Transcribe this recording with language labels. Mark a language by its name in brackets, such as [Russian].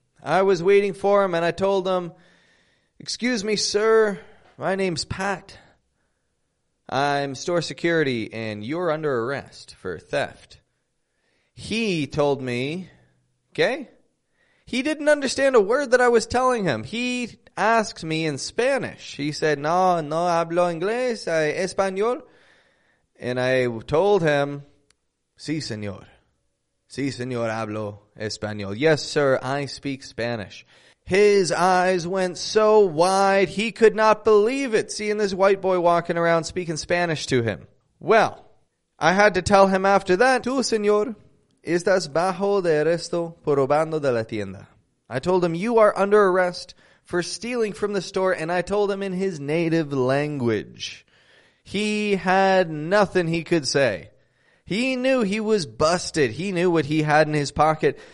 [English] I was waiting for him, and I told him, "Excuse me, sir. My name's Pat. I'm store security, and you're under arrest for theft." He told me, "Okay." He didn't understand a word that I was telling him. He asked me in Spanish. He said, [Spanish] no hablo inglés, español. [English] And I told him, [Spanish] "Sí, señor. Sí, señor, hablo español. [English] Yes, sir, I speak Spanish." His eyes went so wide, he could not believe it, seeing this white boy walking around speaking Spanish to him. Well, I had to tell him after that, [Spanish] "Tú, señor, Estás bajo de arresto por robando de la tienda. [English] I told him, you are under arrest for stealing from the store, and I told him in his native language. He had nothing he could say. He knew he was busted. He knew what he had in his pocket.